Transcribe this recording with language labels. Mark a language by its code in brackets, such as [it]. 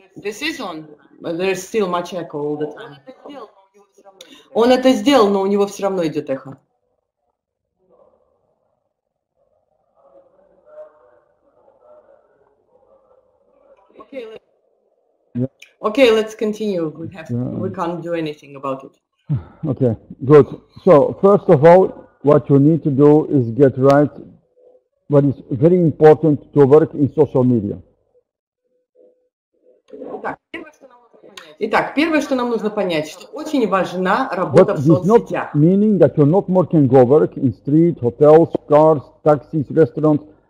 [en] This is on, but there is still much echo all the time. [ru] Он это сделал, но у него все равно идет эхо. [en] Okay, let's continue. We can't do anything about it. Okay, good. So, first of all, what you need to do is get right what is very important to work in social media. [ru] Так, первое, что нам нужно понять. Итак, первое, что нам нужно понять, что очень важна работа [en] But [ru] в соцсетях. [en] Not meaning that you're not more can go work in street, hotels, cars, taxis, restaurants.